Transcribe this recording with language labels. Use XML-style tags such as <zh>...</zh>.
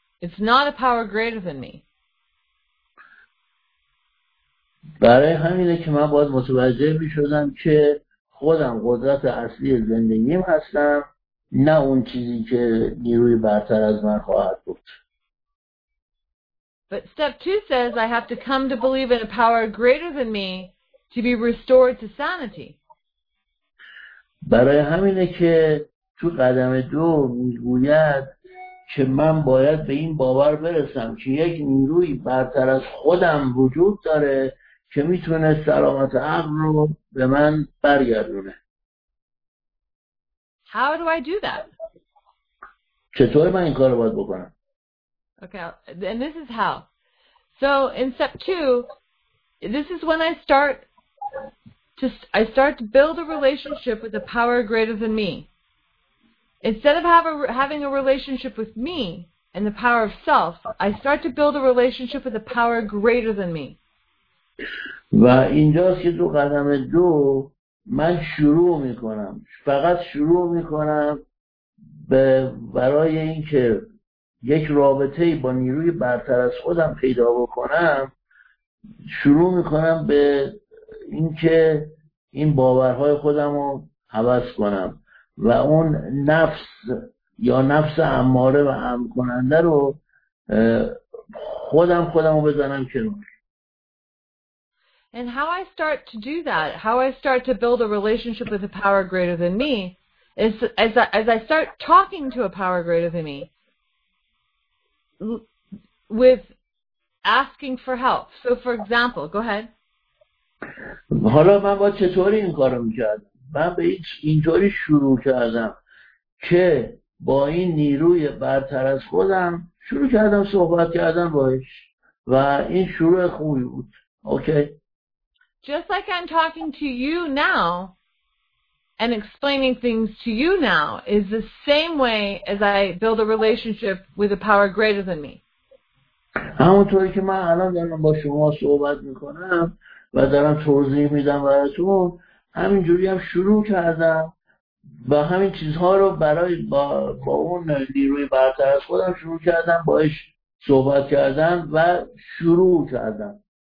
<en>It's not a power greater than me.</en> <fa>برای همینه که من باید متوجه می‌شدم که خودم قدرت اصلی زندگیم هستم، نه اون چیزی که نیروی برتر از من خواهد بود.</fa> <en>But step two says I have to come to believe in a power greater than me to be restored to sanity.</en> <fa>برای همینه که تو قدم دو میگوید که من باید به این باور برسم که یک نیروی برتر از خودم وجود داره که میتونه سلامت عقل رو به من برگردونه.</fa> <en>How do I do that?</en> <fa>چطور من این کارو باید بکنم؟</fa> <en>Okay, and this is how. So in step two, this is when I start to build a relationship with a power greater than me. Instead of having a relationship with me and the power of self, I start to build a relationship with a power greater than me.</en> <fa>و اینجاست که تو قدم دو من شروع میکنم، فقط شروع میکنم به برای اینکه یک رابطه با نیروی برتر از خودم پیدا بکنم، شروع میکنم به اینکه این باورهای خودم رو عوض کنم و اون نفس یا نفس اماره و هم کننده رو خودم رو بزنم کنار.</fa> <en>And how I start to do that, how I start to build a relationship with a power greater than me, is as I start talking to a power greater than me, with asking for help. So for example, go ahead.</en> <fa>حالا من با چطوری این کارو می‌کردم؟ من به اینطوری شروع کردم که با این نیروی برتر از خودم شروع کردم صحبت کردن باهاش و این شروع خوبی بود.</fa> <en>Okay. Just like I'm talking to you now and explaining things to you now is the same way as I build a relationship with a power greater than me.</en> <fa>همونطوری که من الان دارم با شما صحبت میکنم، و دارم توضیح میدم براتون، همینجوری هم شروع کردم و همین چیزها رو برای با اون نیروی برتر از خودم شروع کردم، باش صحبت کردم و شروع کردم.</fa>